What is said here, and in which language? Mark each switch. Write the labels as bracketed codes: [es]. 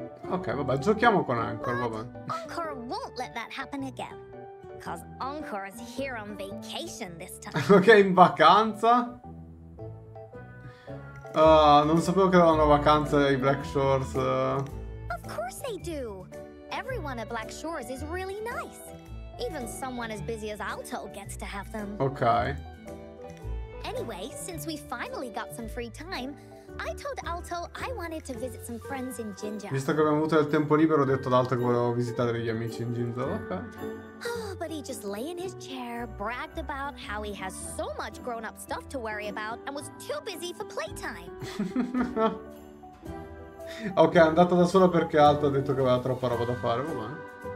[it] Ok, vabbè, giochiamo con Encore, vabbè. [en] Encore won't let that happen again. Cause Encore is here on vacation this time. [it] Ok, in vacanza. Non sapevo che erano vacanze i Black Shores. [en] Of course they do. Everyone at Black Shores is really nice. Even someone as busy as Alto gets to have them. Ok. Anyway, since we finally got some free time, I told Alto I wanted to visit some friends in Jinjo. [it] Visto che abbiamo avuto del tempo libero, ho detto ad Alto che volevo visitare degli amici in Jinjo. Ok. [en] Oh, but he just lay in his chair, bragged about how he has so much grown-up stuff to worry about and was too busy for playtime. [it] Ok, è andata da sola perché Alto ha detto che aveva troppa roba da fare, va bene.